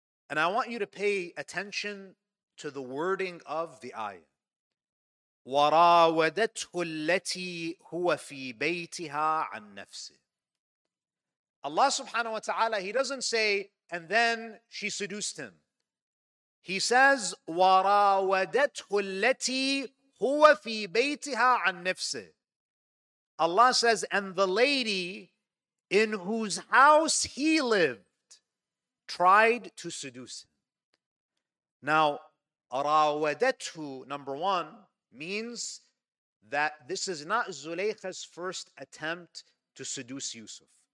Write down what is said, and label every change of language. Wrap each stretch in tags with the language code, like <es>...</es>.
<en>And I want you to pay attention to the wording of the ayah.</en> <ar>وَرَاوَدَتْهُ الَّتِي هُوَ فِي بَيْتِهَا عَن نَفْسِهِ.</ar> <en>Allah subhanahu wa ta'ala, he doesn't say, and then she seduced him. He says,</en> <ar>وَرَاوَدَتْهُ الَّتِي هُوَ فِي بَيْتِهَا عَن نَفْسِهِ.</ar> <en>Allah says, and the lady in whose house he lived tried to seduce him. Now, rawadatu, number one, means that this is not Zulaykha's first attempt to seduce Yusuf.</en>